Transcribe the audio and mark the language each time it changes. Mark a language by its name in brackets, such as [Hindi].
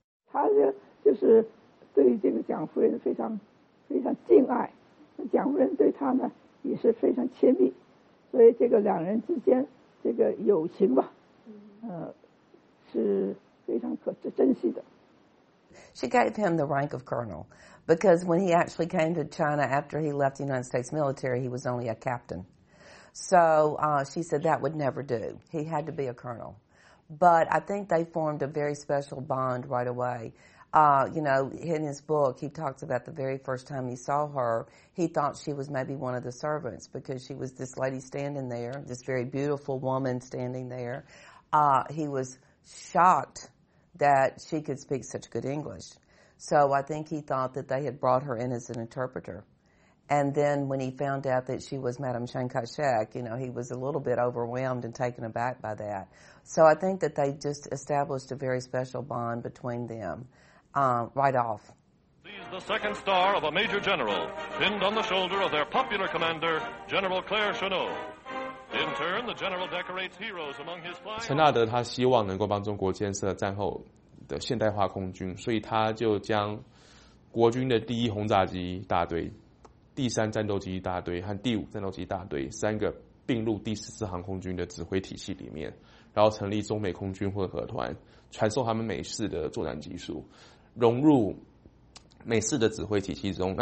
[Chinese] 他就是对这个蒋夫人非常非常敬爱，蒋夫人对他呢也是非常亲密，所以这个两人之间这个友情吧，是非常可珍惜的。 [English] She gave him the rank of colonel, because when he actually came to China after he left the United States military, he was only a captain. So she said that would never do. He had to be a colonel. But I think they formed a very special bond right away. In his book, he talks about the very first time he saw her, he thought she was maybe one of the servants because she was this lady standing there, this very beautiful woman standing there. He was shocked that she could speak such good English. So I think he thought that they had brought her in as an interpreter. And then when he found out that she was Madame Chiang Kai-shek, you know, he was a little bit overwhelmed and taken aback by that. So I think that they just established a very special bond between them, right off. He's the second star of a major general, pinned on the shoulder of their popular commander, General Claire Chennault. In turn, the general decorates heroes among his flying. [Chinese] 陈纳德他希望能够帮中国建设战后的现代化空军，所以他就将国军的第一轰炸机大队、第三战斗机大队和第五战斗机大队三个并入第14航空军的指挥体系里面，然后成立中美空军混合团，传授他们美式的作战技术，融入美式的指挥体系中。